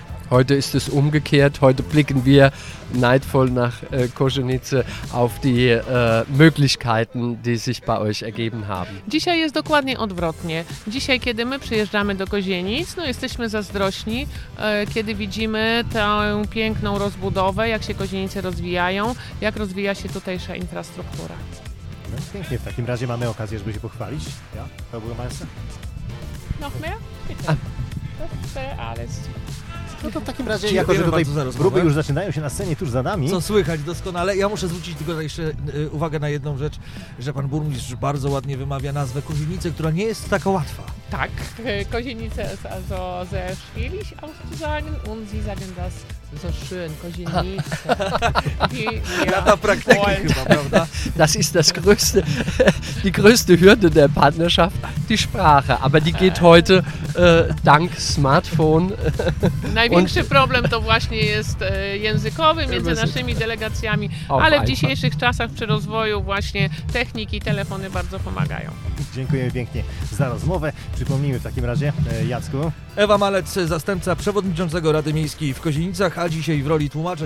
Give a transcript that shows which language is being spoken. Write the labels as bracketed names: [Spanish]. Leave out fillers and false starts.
[German] Heute ist es umgekehrt, heute blicken wir neidvoll nach Kozienice auf die Möglichkeiten, die sich bei euch ergeben haben. [Polish] Dzisiaj jest dokładnie odwrotnie. Dzisiaj, kiedy my przyjeżdżamy do Kozienic, no jesteśmy zazdrośni, kiedy widzimy tę piękną rozbudowę, jak się Kozienice rozwijają, jak rozwija się tutejsza infrastruktura. No, pięknie, w takim razie mamy okazję, żeby się pochwalić. Ja, to było Państwa. [German] Noch mehr? Bitte. To alles. [Polish] No to w takim razie, jako że tutaj próby już zaczynają się na scenie tuż za nami. Co słychać doskonale. Ja muszę zwrócić tylko jeszcze uwagę na jedną rzecz, że pan burmistrz bardzo ładnie wymawia nazwę Kozienice, która nie jest taka łatwa. [German] Tak, Kozienice ist also sehr schwierig auszusagen und Sie sagen das So schön, Kozienice. [Polish] Lata Praktik chyba, prawda? [German] Das ist das größte, die größte Hürde der Partnerschaft, die Sprache. Aber die geht heute dank Smartphone. [Polish] Największy problem to właśnie jest językowy między naszymi delegacjami, ale w dzisiejszych czasach przy rozwoju właśnie techniki, telefony bardzo pomagają. Dziękujemy pięknie za rozmowę. Przypomnijmy w takim razie, Jacku. Ewa Malec, zastępca przewodniczącego Rady Miejskiej w Kozienicach, a dzisiaj w roli tłumacza.